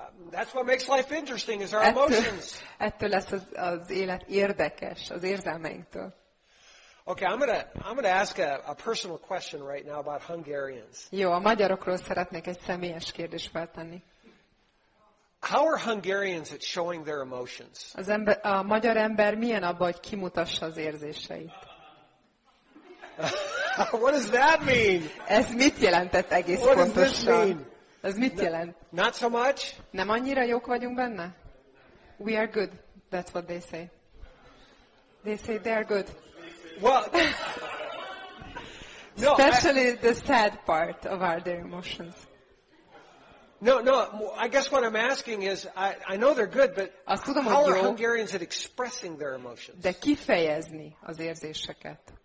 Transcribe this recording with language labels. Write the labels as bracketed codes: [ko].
[en] That's what makes life interesting is our emotions. [hu] Ettől lesz az élet érdekes, az érzelmeinktől. [en] Okay, I'm gonna ask a personal question right now about Hungarians. [hu] Jó, a magyarokról szeretnék egy személyes kérdést feltenni. [en] How are Hungarians at showing their emotions? [hu] A magyar ember milyen abban, hogy kimutassa az érzéseit? [en] What does that mean? [hu] Ez mit jelentett egész pontosan? [en] What does this mean? [hu] Ez mit jelent? [en] Not so much. [hu] Nem annyira jók vagyunk benne? [en] We are good. That's what they say. They say they are good. Well, no, especially the sad part of our their emotions. No, I guess what I'm asking is, I know they're good, but [hu] tudom, [en] how are Hungarians at expressing their emotions? [hu] De kifejezni az érzéseket.